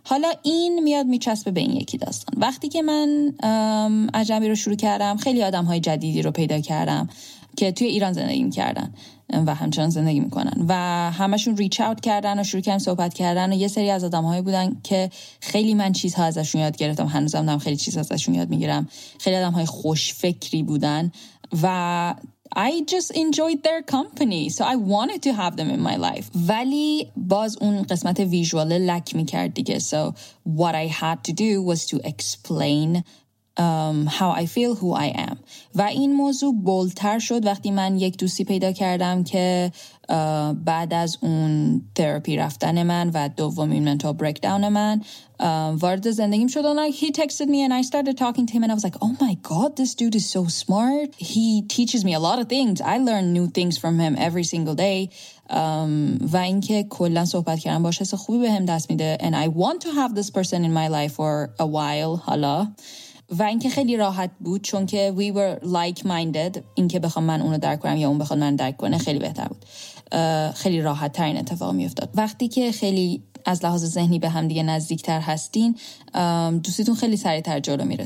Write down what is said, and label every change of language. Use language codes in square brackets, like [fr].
[fa] حالا این میاد میچسبه به این یکی داستان. وقتی که من عجمی رو شروع کردم، خیلی آدمهای جدیدی رو پیدا کردم که توی ایران زندگی میکردن و همچنان زندگی میکنن و همشون ریچ اوت کردن و شروع کردن صحبت کردن و یه سری از آدمهایی بودن که خیلی من چیزها ازشون یاد گرفتم، هنوزم دارم خیلی چیز ازشون یاد میگیرم، خیلی آدمهای خوش فکری بودن و [en] I just enjoyed their company so I wanted to have them in my life. [fa] ولی باز اون قسمت ویژوال لک میکرد دیگه. [en] So what I had to do was to explain how I feel, who I am. [fa] و این موضوع بولتر شد وقتی من یک دوستی پیدا کردم که بعد از اون تراپی رفتن من و دومین منتال بریکداون من وارد زندگیم شد. [en] And like, he texted me and I started talking to him and I was like, oh my god, this dude is so smart. He teaches me a lot of things. I learn new things from him every single day. [fa] و اینکه کلن صحبت کردم باش حس خوبی به هم دست میده. [en] And I want to have this person in my life for a while. [fa] حالا و اینکه خیلی راحت بود چون که [en] we were like-minded، [fa] اینکه بخوام من اونو درک کنم یا اون بخواد من درک کنه خیلی بهتر بود، خیلی راحت تر این اتفاق می افتاد. وقتی که خیلی از لحاظ ذهنی به هم دیگه نزدیک تر هستین، دوستیتون خیلی سریع تر جلو میره.